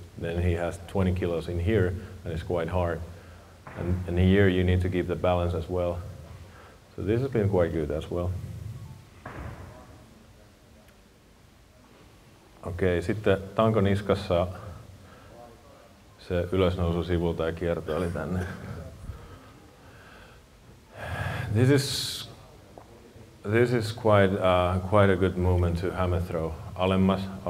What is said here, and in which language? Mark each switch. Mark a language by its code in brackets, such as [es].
[en] Then he has 20 kilos in here, and it's quite hard. And here you need to keep the balance as well. So this has been quite good as well. [fi] Okay, sitten tanko niskassa se ylösnousu sivulta ja kierto oli tänne. [en] This is quite a good movement to hammer throw. [fi] Alemmas.